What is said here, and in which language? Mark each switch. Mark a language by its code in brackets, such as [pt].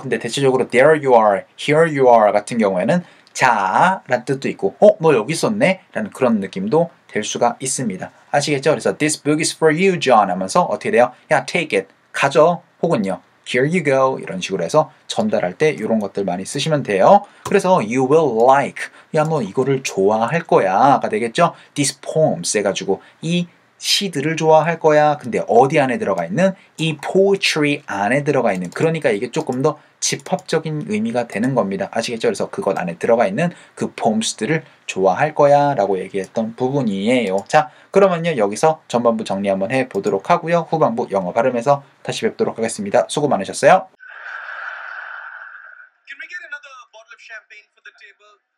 [ko] 근데 대체적으로 [en] there you are, here you are [ko] 같은 경우에는 자 라는 뜻도 있고 어? 너 여기 있었네? 라는 그런 느낌도 될 수가 있습니다. 아시겠죠? 그래서 this book is for you, John 하면서 어떻게 돼요? 야, take it, 가져 혹은요, [en] here you go [ko] 이런 식으로 해서 전달할 때 이런 것들 많이 쓰시면 돼요. 그래서 you will like, 야, 너 이거를 좋아할 거야 가 되겠죠? this poem 써가지고 이 시들을 좋아할 거야. 근데 어디 안에 들어가 있는? 이 poetry 안에 들어가 있는. 그러니까 이게 조금 더 집합적인 의미가 되는 겁니다. 아시겠죠? 그래서 그것 안에 들어가 있는 그 poems들을 좋아할 거야 라고 얘기했던 부분이에요. 자, 그러면요 여기서 전반부 정리 한번 해보도록 하고요. 후반부 영어 발음해서 다시 뵙도록 하겠습니다. 수고 많으셨어요. [en] Can we get another bottle of champagne for the table?